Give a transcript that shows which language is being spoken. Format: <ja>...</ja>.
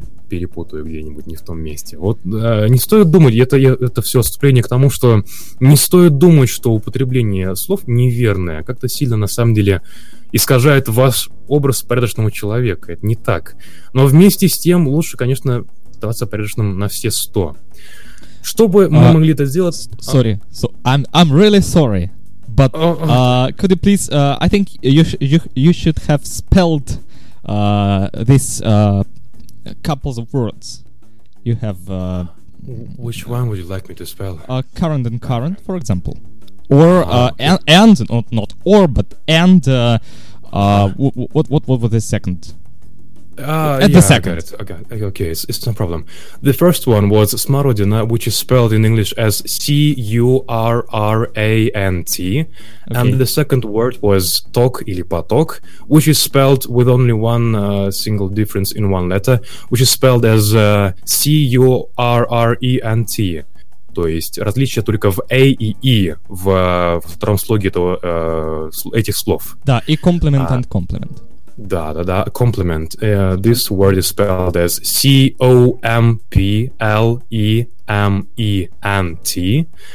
<ru>перепутаю где-нибудь не в том месте. Вот не стоит думать, это все отступление к тому, что не стоит думать, что употребление слов неверное как-то сильно на самом деле искажает ваш образ порядочного человека. Это не так. Но вместе с тем лучше, конечно, оставаться порядочным на все 100. Чтобы мы могли это сделать...</ru> <en>Sorry, so I'm really sorry. But could you please, I think you should have spelled this couple of words. You have... Which one would you like me to spell? Current and current, for example. Or what was the second? Okay, it's no problem. The first one was smarodina, which is spelled in English as C-U-R-R-A-N-T. Okay. And the second word was tok или potok, which is spelled with only one single difference in one letter, which is spelled as C-U-R-R-E-N-T.</en> <ru>То есть различие только в A и E в втором слоге этих слов. Да, и</ru> <en>complement and complement.</en> <ru>Да-да-да,</ru> <en>complement. This word is spelled as C-O-M-P-L-E-M-E-N-T.</en>